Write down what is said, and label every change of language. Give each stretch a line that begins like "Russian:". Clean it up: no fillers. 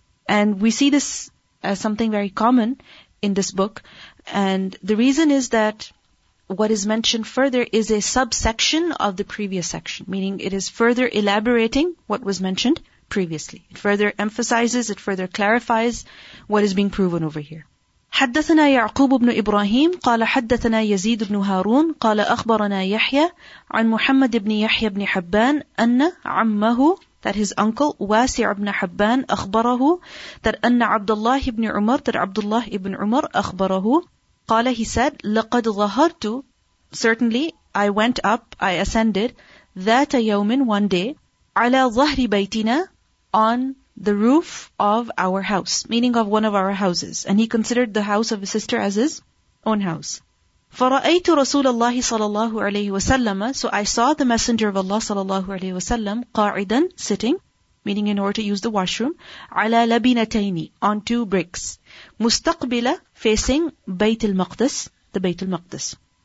English: And we see this as something very common in this book. And the reason is that what is mentioned further is a subsection of the previous section, meaning it is further elaborating what was mentioned previously. It further emphasizes, it further clarifies what is being proven over here.
Arabic: حدثنا يعقوب بن إبراهيم قال حدثنا يزيد بن هارون قال أخبرنا يحيى عن محمد بن يحيى بن حبان أن عمه,
English: that his uncle
Arabic: واسع بن حبان, أخبره, that أن عبد الله بن عمر, that عبد الله بن عمر, أخبره, قال,
English: he said,
Arabic: لقد ظهرت,
English: certainly I went up, I ascended,
Arabic: ذات يوم,
English: one day,
Arabic: على ظهر بيتنا,
English: on the roof of our house, meaning of one of our houses. And he considered the house of his sister as his own house.
Arabic: فرأيت رسول الله صلى الله عليه وسلم,
English: so I saw the Messenger of Allah
Arabic: صلى الله عليه وسلم, قاعدا,
English: sitting, meaning in order to use the washroom,
Arabic: ala labinataini,
English: on two bricks,
Arabic: mustaqbila,
English: facing Bayt al-Maqdis, the Bayt al-Maqdis.